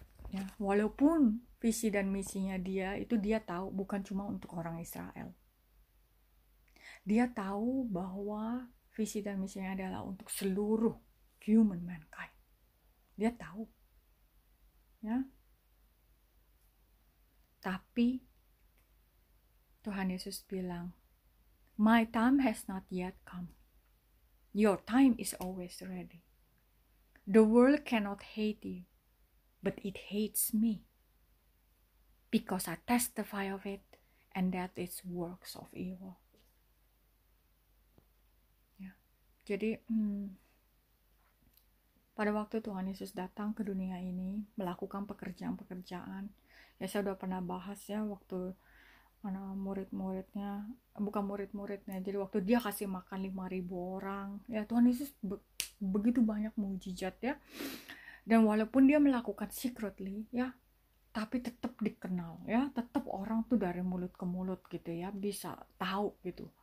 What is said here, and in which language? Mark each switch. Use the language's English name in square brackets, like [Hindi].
[Indonesian] Ya, walaupun visi dan misinya dia, itu dia tahu bukan cuma untuk orang Israel. Dia tahu bahwa visi dan misinya adalah untuk seluruh human mankind. Dia tahu. Ya. Tapi Tuhan Yesus bilang, [English] "My time has not yet come. Your time is always ready. The world cannot hate you, but it hates me, because I testify of it, and that it's works of evil." [Indonesian] Ya. Jadi, pada waktu Tuhan Yesus datang ke dunia ini, melakukan pekerjaan-pekerjaan, ya saya sudah pernah bahas ya, waktu mana murid-muridnya, bukan murid-muridnya, jadi waktu dia kasih makan 5.000 orang, ya Tuhan Yesus begitu banyak mujizat ya, dan walaupun dia melakukan secretly, ya, tapi tetap dikenal, ya, tetap orang tuh dari mulut ke mulut gitu ya, bisa tahu gitu.